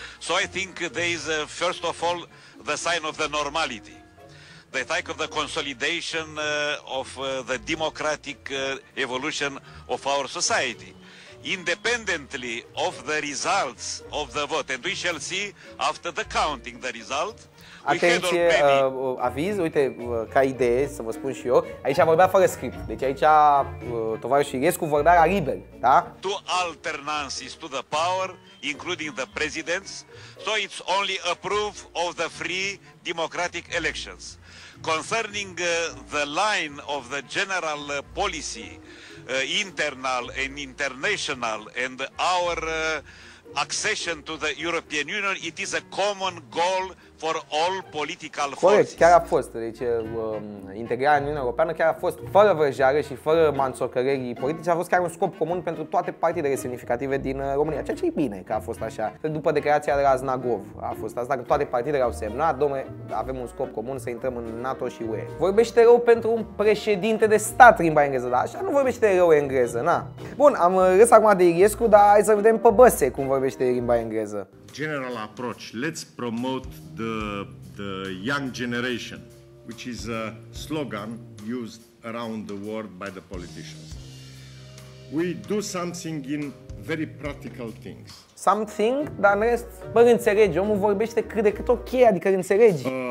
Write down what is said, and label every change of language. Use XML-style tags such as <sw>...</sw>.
<en>So I think there is first of all the sign of the normality, the type of the consolidation of the democratic evolution of our society. Independently of the results of the vote, and we shall see after the counting the result.</en> <ro>Atenție, aviz, uite, ca idee, să vă spun și eu, aici vorbea fără script, deci aici tovarășul Iliescu vorbea la liber, da?</ro> <en>Two alternances to the power, including the presidents, so it's only a proof of the free democratic elections. Concerning the line of the general policy, internal and international, and our accession to the European Union, it is a common goal for all political forces.</en> <ro>Corect, chiar a fost. Deci, integrarea în Uniunea Europeană chiar a fost, fără vrăjeală și fără manțocărerii politice, a fost chiar un scop comun pentru toate partidele semnificative din România. Ceea ce e bine că a fost așa. După declarația de la Znagov a fost asta, că toate partidele au semnat, domne, avem un scop comun să intrăm în NATO și UE. Vorbește rău pentru un președinte de stat limba engleză, dar așa nu vorbește rău engleză, na. Bun, am râs acum de Iliescu, dar hai să vedem pe Băse cum vorbește limba engleză.</ro> <en>General approach, let's promote the young generation, which is a slogan used around the world by the politicians. We do something in very practical things.</en> <ro>Something, dar în rest, bă, înțelegi, omul vorbește cât de cât ok, adică înțelegi.</ro>